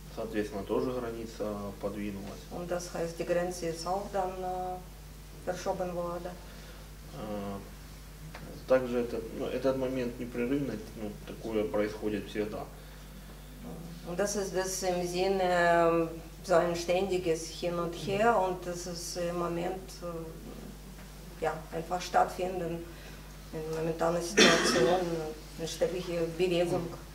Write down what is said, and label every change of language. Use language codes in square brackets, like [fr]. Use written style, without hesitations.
[ru] Соответственно, тоже граница подвинулась. [de] Und das heißt, die Grenze ist auch dann verschoben worden. [ru] Также этот момент непрерывно, такое происходит всегда. [de] Und das ist das im Sinne so ein ständiges Hin und Her und das ist im Moment einfach stattfinden. In momentaner Situation eine ständige Bewegung.